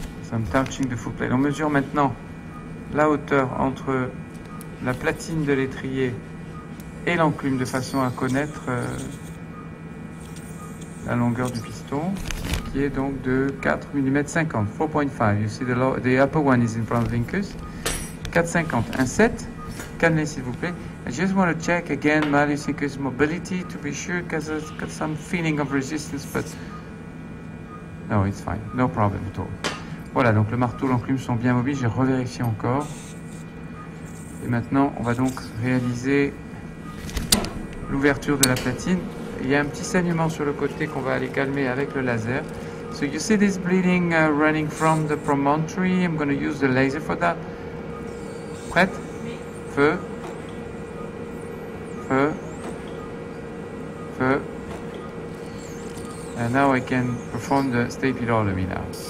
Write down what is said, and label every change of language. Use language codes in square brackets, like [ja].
[en] I'm touching the foot plate. [fr] On mesure maintenant la hauteur entre la platine de l'étrier et l'enclume de façon à connaître la longueur du piston qui est donc de 4,50 mm. [en] You see the upper one is in front of the incus. [fr] 4,50. Un 7. Cannelé, s'il vous plaît. [en] I just want to check again Marius Incus mobility to be sure because I've got some feeling of resistance, but no, it's fine. No problem at all. [fr] Voilà, donc le marteau, l'enclume sont bien mobiles. J'ai revérifié encore. Et maintenant, on va donc réaliser l'ouverture de la platine. Il y a un petit saignement sur le côté qu'on va aller calmer avec le laser. [en] So you see this bleeding running from the promontory. I'm going to use the laser for that. [fr] Prête? Feu. Feu. Feu. [en] And now I can perform the stapedotomy now.